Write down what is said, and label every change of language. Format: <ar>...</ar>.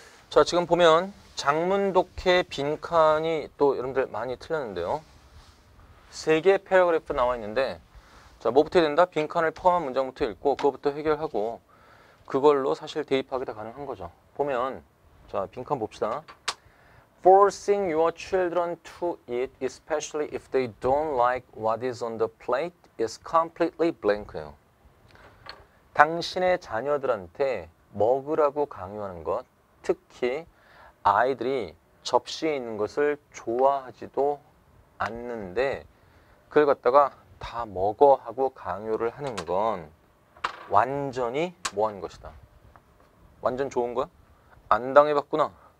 <ko>자, 지금 보면 장문독해 빈칸이 또 여러분들 많이 틀렸는데요. 세 개의 패러그래프 나와 있는데, 자, 뭐부터 해야 된다? 빈칸을 포함한 문장부터 읽고 그것부터 해결하고 그걸로 사실 대입하기 다 가능한 거죠. 보면, 자, 빈칸 봅시다.</ko> <en>Forcing your children to eat, especially if they don't like what is on the plate, is completely blank.</en> <ko>당신의 자녀들한테 먹으라고 강요하는 것, 특히 아이들이 접시에 있는 것을 좋아하지도 않는데 그걸 갖다가 다 먹어 하고 강요를 하는 건 완전히 뭐한 것이다. 완전 좋은 거야? 안 당해봤구나.</ko>